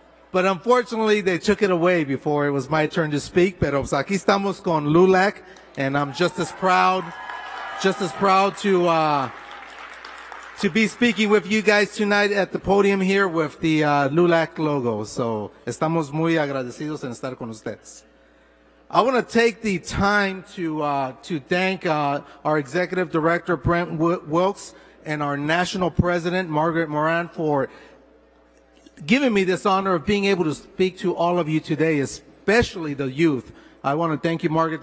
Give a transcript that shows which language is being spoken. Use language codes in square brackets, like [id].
[en] But unfortunately, they took it away before it was my turn to speak. [es] Pero aquí estamos con [en] LULAC, and I'm just as proud to be speaking with you guys tonight at the podium here with the LULAC logo. So [es] estamos muy agradecidos en estar con ustedes. [en] I want to take the time to thank our executive director Brent Wilkes and our national president Margaret Moran for giving me this honor of being able to speak to all of you today, especially the youth. I want to thank you, Margaret.